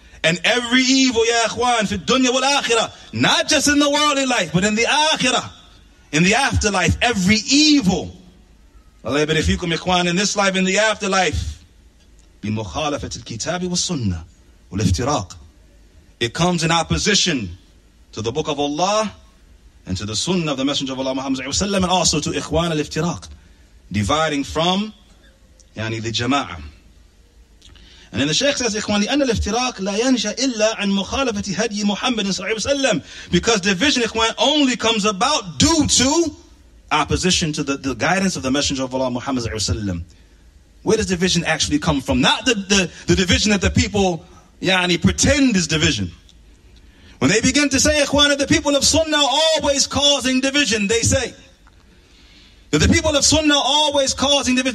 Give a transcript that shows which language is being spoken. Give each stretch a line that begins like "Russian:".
English: And every evil, ya ikhwan,
Arabic: fi dunya wal akhirah,
English: not just in the worldly life, but in the akhirah, in the afterlife, every evil, Allah barifikum, ikhwan, in this life, in the afterlife,
Arabic: bi mukhalafat al kitabi wa sunnah wal iftiraq,
English: it comes in opposition to the Book of Allah and to the Sunnah of the Messenger of Allah Muhammad, and also to ikhwan al iftiraq, dividing from yani the jama'ah. And then the Shaykh says,
Arabic: إخوان, لأن الافتراق لا ينشأ إلا عن مخالفة هدي محمد صلى الله عليه وسلم.
English: Because division, إخوان, only comes about due to opposition to the guidance of the Messenger of Allah Muhammad صلى الله عليه وسلم. Where does division actually come from? Not the division that the people يعني pretend is division. When they begin to say, إخوان, that the people of Sunnah are always causing division, they say that the people of Sunnah are always causing division.